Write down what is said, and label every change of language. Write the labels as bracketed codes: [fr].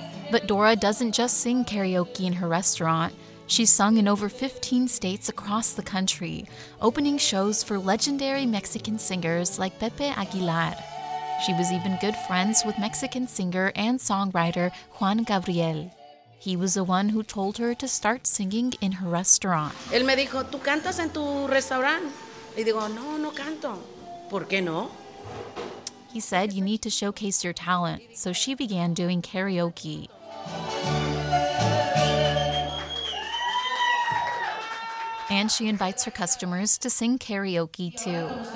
[en] But Dora doesn't just sing karaoke in her restaurant. She's sung in over 15 states across the country, opening shows for legendary Mexican singers like Pepe Aguilar. She was even good friends with Mexican singer and songwriter Juan Gabriel. He was the one who told her to start singing in her restaurant. [es] Él me dijo, ¿tú cantas en tu restaurante? Y digo, no, no canto. ¿Por qué no? [en] He said, you need to showcase your talent, so she began doing karaoke. And she invites her customers to sing karaoke, too.